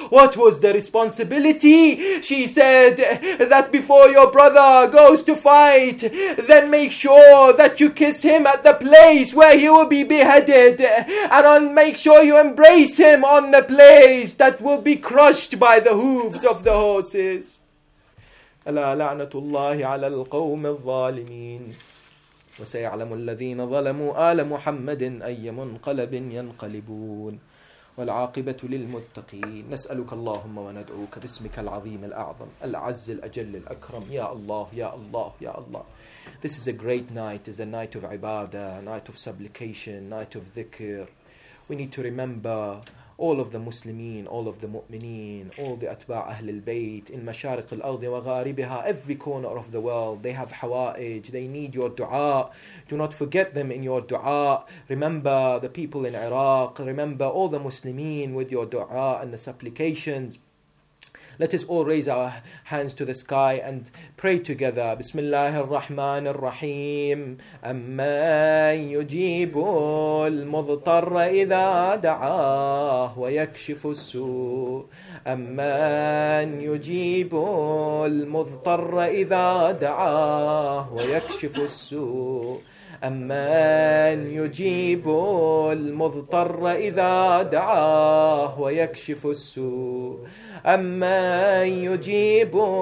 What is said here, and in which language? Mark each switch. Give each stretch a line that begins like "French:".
English: What was the responsibility? She said that before your brother goes to fight, then make sure that you kiss him at the place where he will be beheaded. And make sure you embrace him on the place that will be crushed by the hooves of the horses.
Arabic: ألا لعنة الله على القوم الظالمين وسيعلم الذين ظلموا آل محمد أي منقلب ينقلبون والعاقبة للمتقين. نسألك اللهم وندعوك باسمك العظيم الأعظم العز الأجل الأكرم يا الله يا الله يا الله.
English: This is a great night. It's a night of ibadah, night of supplication, night of dhikr. We need to remember all of the Muslimin, all of the Mu'mineen, all the Atba' Ahl al-Bayt, in Masharik al-Ardi wa Gharibiha, every corner of the world, they have Hawa'ij, they need your dua. Do not forget them in your dua. Remember the people in Iraq, remember all the Muslimin with your dua and the supplications. Let us all raise our hands to the sky and pray together.
Arabic: Bismillah ar-Rahman ar-Rahim. Amman yujibu al-mudtar idha da'ah wa yakshifu al-su' Amman yujibu al-mudtar idha da'ah wa yakshifu al-su' أمن يجيب المضطر إذا دعاه ويكشف السوء أمن يجيب